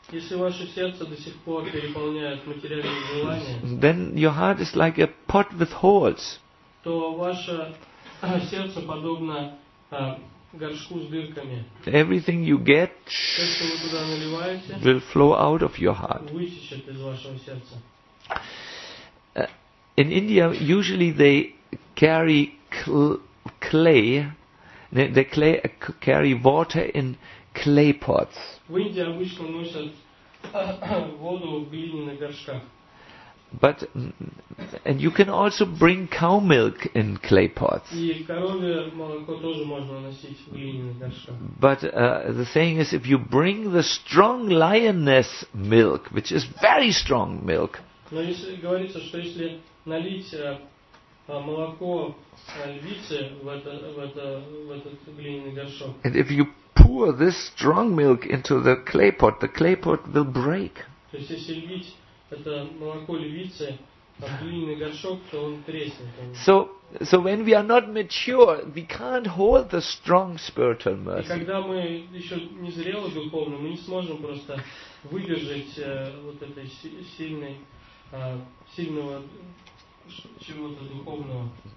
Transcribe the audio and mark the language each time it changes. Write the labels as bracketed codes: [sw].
[ru] если ваше сердце до сих пор переполняет материальные желания, [en] then your heart is like a pot with holes. [ru] То ваше сердце подобно горшку с дырками. [en] Everything you get, [ru] то, что вы туда наливаете, [en] will flow out of your heart. [ru] Вытечет из вашего сердца. [en] In India, usually they carry clay. They carry water in clay pots. [ru] В Индии обычно носят воду в глиняных горшках. [en] But and you can also bring cow milk in clay pots. [ru] И коровье молоко тоже можно носить в глиняных горшках. [en] But the saying is, if you bring the strong lioness milk, which is very strong milk. [ru] Но если говорится, что если налить молоко львицы в этот глиняный горшок. [en] And if you pour this strong milk into the clay pot will break. [ru] То есть если лить это молоко львицы в глиняный горшок, то он треснет. [en] So when we are not mature, we can't hold the strong spiritual mercy. [ru] И когда мы еще не зрелы духовно, мы не сможем просто выдержать вот этой сильного чего-то духовного.